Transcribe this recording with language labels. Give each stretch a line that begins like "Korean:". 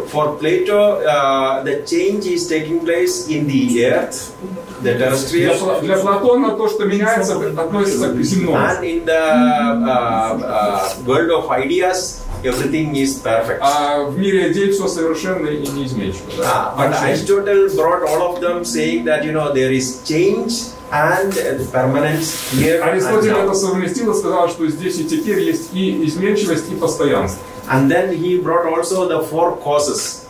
English: For Plato, the change is taking place in the earth.
Russian: Для Платона то, что меняется, относится к земному.
English: And in the world of ideas, everything is perfect.
Russian: А в мире идей все совершенно и неизменчиво. Да?
English: But Aristotle brought all of them, saying that, you know, there is change and permanence here.
Russian: Аристотель это совместил и сказал, что здесь и теперь есть и изменчивость, и постоянство.
English: And then he brought also the four causes.